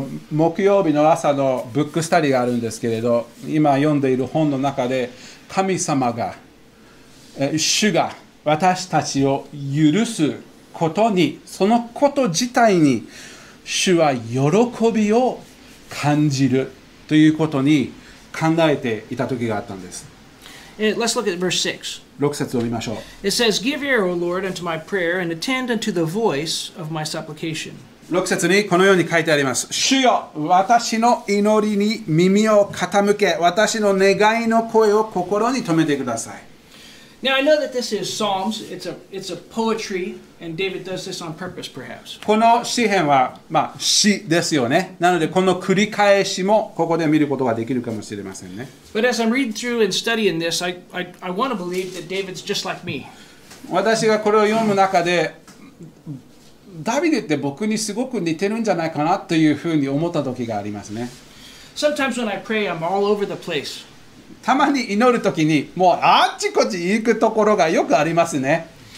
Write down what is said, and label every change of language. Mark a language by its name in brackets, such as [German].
[Japanese] 木曜日の朝のブックスタディがあるんですけれど、今読んでいる本の中で神様が、主が私たちを許すことに、そのこと自体に主は喜びを感じるということに考えていた時があったんです。 [English] Let's look at verse 6. [Japanese] 6節を見ましょう。 [English] It says, Give ear, O Lord, unto my prayer, and attend unto the voice of my supplication. [Japanese] 6節にこのように書いてあります。主よ、私の祈りに耳を傾け、私の願いの声を心に留めてください。 [English] Now I know that this is Psalms. It's a poetry, and David does this on purpose, perhaps. [Japanese] この詩編は、まあ、詩ですよね。なのでこの繰り返しもここで見ることができるかもしれませんね。 [English] But as I'm reading through and studying this, I want to believe that David's just like me. [Japanese] 私がこれを読む中で、ダビデって僕にすごく似てるんじゃないかなというふうに思った時がありますね。 [English] Sometimes when I pray, I'm all over the place. [Japanese] たまに祈るときにもうあっちこっち行くところがよくありますね。